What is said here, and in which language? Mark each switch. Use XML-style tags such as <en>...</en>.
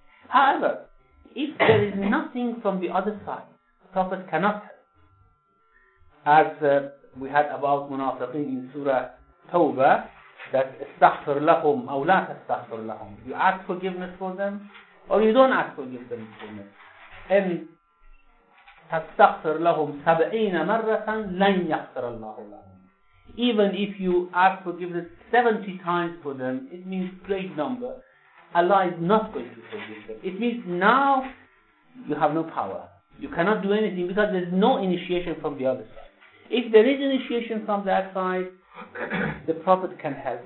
<en>However, if there is nothing from the other side, Prophet cannot help. As we had about Munafiqeen in Surah Tawbah, that</en> <ar>استغفر لهم أو لا تستغفر لهم.</ar> <en>You ask forgiveness for them, or you don't ask forgiveness for them.</en> <ar>إن تستغفر لهم سبعين مرة لن يغفر الله لهم.</ar> <en>Even if you ask forgiveness 70 times for them, it means great number, Allah is not going to forgive them. It means now you have no power. You cannot do anything because there is no initiation from the other side. If there is initiation from that side, the Prophet can help.</en>